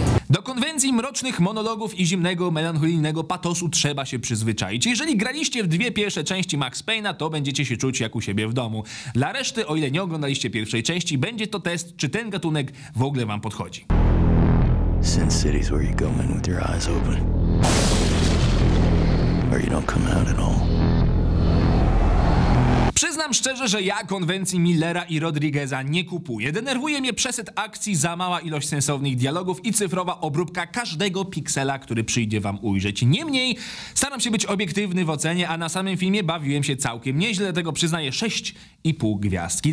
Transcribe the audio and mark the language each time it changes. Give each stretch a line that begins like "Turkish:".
Polish: Do konwencji mrocznych monologów i zimnego, melancholijnego patosu trzeba się przyzwyczaić. Jeżeli graliście w dwie pierwsze części Max Payne'a, to będziecie się czuć jak u siebie w domu. Dla reszty, o ile nie oglądaliście pierwszej części, będzie to test, czy ten gatunek w ogóle wam podchodzi.
English: Sin City's where you go in with your eyes open. Or you don't come out at all.
Polish: Przyznam szczerze, że ja konwencji Millera i Rodriguez'a nie kupuję. Denerwuje mnie przesyt akcji, za mała ilość sensownych dialogów i cyfrowa obróbka każdego piksela, który przyjdzie wam ujrzeć. Niemniej, staram się być obiektywny w ocenie, a na samym filmie bawiłem się całkiem nieźle, dlatego przyznaję 6,5 gwiazdki.